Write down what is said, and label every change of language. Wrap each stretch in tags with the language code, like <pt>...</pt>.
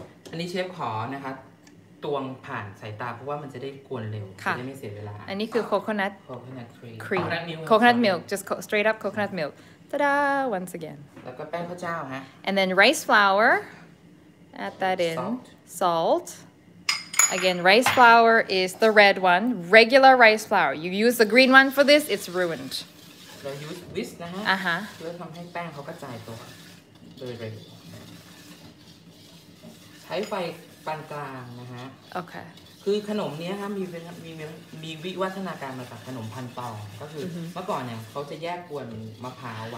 <th>อันนี้เชฟขอนะคะตวงผ่านสายตาเพราะว่ามันจะได้กวนเร็วจะได้ไม่เสียเวลา อันนี้คือโคโคนัท โคโคนัท</th> <en>ครีมโคโคนัทมิลค์ just straight up coconut milk ta-da once again</en> <th>แล้วก็แป้งข้าวเจ้าฮะ</th> <en>and then rice flour add that in salt again rice flour is the red one regular rice flour you use the green one for this it's ruined</en> <th>เราใช้วิสนะฮะเพื่อทำให้แป้งเขากระจายตัวโดยเร็วใช้ไฟปานกลางนะฮะ โอเค คือขนมนี้ฮะมีวิวัฒนาการมาจากขนมพันตองก็คือเมื่อก่อนเนี่ยเขาจะแยกกวนมะพร้าวไว</th>